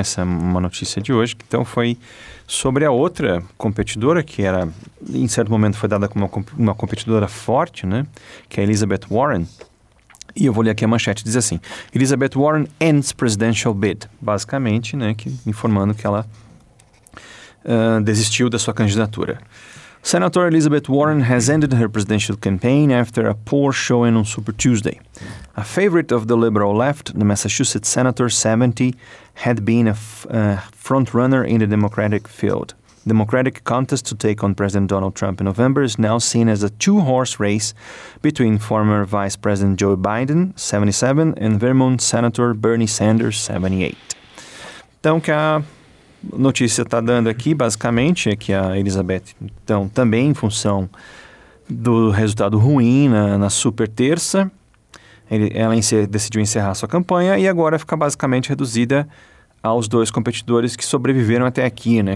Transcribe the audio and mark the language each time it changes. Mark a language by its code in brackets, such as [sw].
[pt] Essa é uma notícia de hoje, que então foi sobre a outra competidora, que era, em certo momento foi dada como uma competidora forte, né? Que é a Elizabeth Warren. E eu vou ler aqui a manchete, diz assim: [en] Elizabeth Warren ends presidential bid. [pt] Basicamente, né? Que, informando que ela desistiu da sua candidatura. [en] Senator Elizabeth Warren has ended her presidential campaign after a poor showing on Super Tuesday. A favorite of the liberal left, the Massachusetts senator, 70, had been a front-runner in the Democratic field. Democratic contest to take on President Donald Trump in November is now seen as a two-horse race between former Vice President Joe Biden, 77, and Vermont Senator Bernie Sanders, 78. [pt] Então, notícia está dando aqui, basicamente, é que a Elizabeth, então, também em função do resultado ruim na super terça, Ela decidiu encerrar sua campanha e agora fica basicamente reduzida aos dois competidores que sobreviveram até aqui, né?